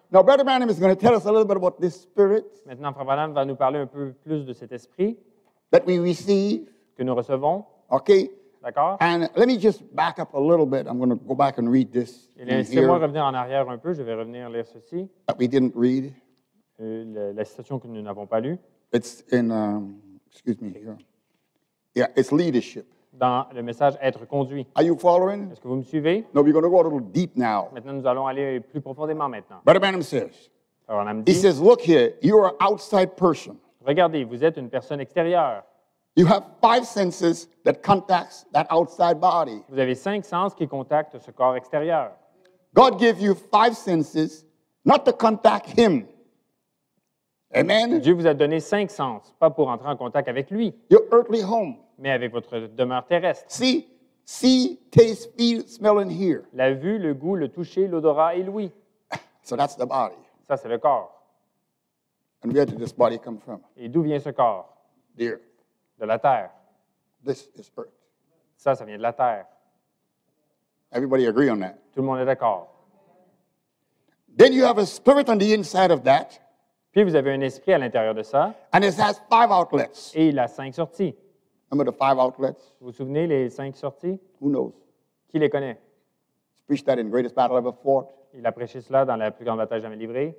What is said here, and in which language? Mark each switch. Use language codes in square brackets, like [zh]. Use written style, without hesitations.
[en] Now, Brother Branham is going to tell us a little bit about this spirit. [fr] Maintenant, Frère Branham va nous parler un peu plus de cet esprit. [en] That we receive. [fr] Que nous recevons. [en] Okay. [fr] D'accord. [en] And let me just back up a little bit. I'm going to go back and read this. [fr] Et laissez-moi revenir en arrière un peu. Je vais revenir lire ceci. [en] That we didn't read. [fr] La citation que nous n'avons pas lue. [en] It's in, excuse me here. Yeah, it's leadership. [fr] Dans le message « Être conduit ». [en] Are you following? [fr] Est-ce que vous me suivez? [en] No, we're going to go a little deep now. [fr] Maintenant, nous allons aller plus profondément maintenant. [en] Brother Branham says, [fr] dit, [en] he says, look here, you are an outside person. [fr] Regardez, vous êtes une personne extérieure. [en] You have five senses that contacts that outside body. [fr] Vous avez cinq sens qui contactent ce corps extérieur. [en] God gave you five senses not to contact him. Amen. [fr] Dieu vous a donné cinq sens, pas pour entrer en contact avec lui. [en] Your earthly home. [fr] Mais avec votre demeure terrestre. [en] See, taste, feel, smell and hear. [fr] La vue, le goût, le toucher, l'odorat et l'ouïe. [en] So that's the body. [fr] Ça, c'est le corps. [en] And where did this body come from? [fr] Et d'où vient ce corps? [en] The earth. [fr] De la terre. [en] This is earth. [fr] Ça, ça vient de la terre. [en] Everybody agree on that? [fr] Tout le monde est d'accord. [en] Then you have a spirit on the inside of that. [fr] Puis vous avez un esprit à l'intérieur de ça. [en] And it has five outlets. [fr] Et il a cinq sorties. [en] Remember the five outlets? [fr] Vous vous souvenez les cinq sorties? [en] Who knows? [fr] Qui les connaît? [en] Preach that in greatest battle ever fought. [fr] Il a prêché cela dans la plus grande bataille jamais livrée.